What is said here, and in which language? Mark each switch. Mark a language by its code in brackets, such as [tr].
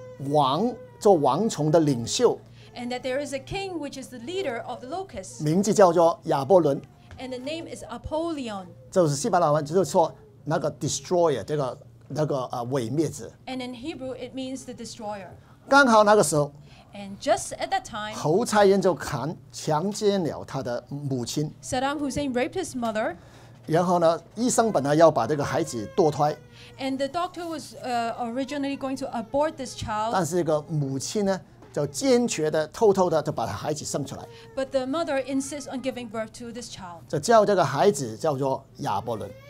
[zh] 然后有很奇妙的，这是有一个的王做蝗虫的领袖。 [en] And that there is a king which is the leader of the locusts. [zh] 名字叫做亚波伦。 [en] And the name is Apollyon. [zh] 就是希伯来文，就是说。那个 destroyer 这个毁灭者 [en] and in Hebrew it means the destroyer [zh] 刚好那个时候 [en] and just at that time [zh] 侯差人就强奸了他的母亲 [en] Saddam Hussein raped his mother [zh] 然后呢 医生本来要把这个孩子堕胎 [en] and the doctor was originally going to abort this child [zh] 但是这个母亲呢 就坚决的偷偷的就把孩子生出来 [en] but the mother insists on giving birth to this child [zh] 就叫这个孩子叫做亚伯伦